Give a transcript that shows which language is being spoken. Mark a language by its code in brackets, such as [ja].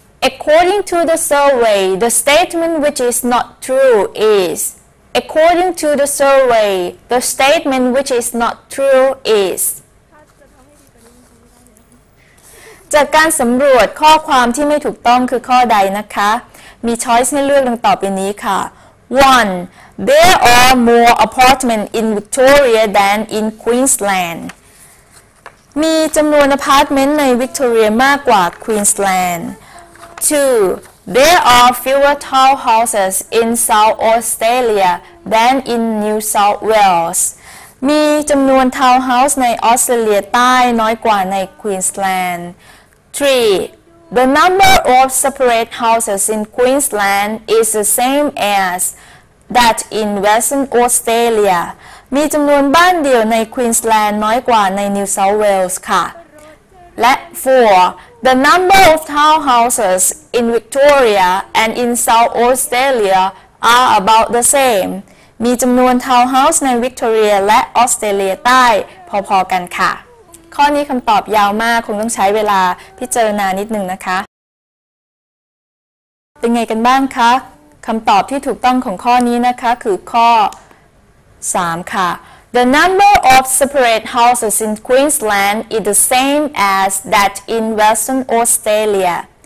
[en] According to the survey the statement which is not true isAccording to the survey, the statement which is not true is [th] จากการสำรวจข้อความที่ไม่ถูกต้องคือข้อใดนะคะมีช้อยส์ให้เลือกดังต่อไปนี้ค่ะ [en] 1. There are more apartments in Victoria than in Queensland [th] มีจำนวนอพาร์ตเมนต์ในวิกตอเรียมากกว่าควีนส์แลนด์ [en] 2. There are fewer tall houses in South Australia than in New South Wales. [th] มีจำนวนทาวน์เฮาส์ในออสเตรเลียใต้น้อยกว่าในควีนส์แลนด์ 3. [en] The number of separate houses in Queensland is the same as that in Western Australia. [th] มีจำนวนบ้านเดียวในควีนส์แลนด์น้อยกว่าใน New South Wales ค่ะและ 4. [en] The number of townhouses in Victoria and in South Australia are about the same. [th] มีจำนวนทาวน์เฮาส์ในวิกตอเรียและออสเตรเลียใต้พอๆกันค่ะข้อนี้คำตอบยาวมากคงต้องใช้เวลาพิจารณานิดนึงนะคะเป็นไงกันบ้างคะคำตอบที่ถูกต้องของข้อนี้นะคะคือข้อ3ค่ะ [en] The number of separate houses in Queensland is the same as that in Western Australia.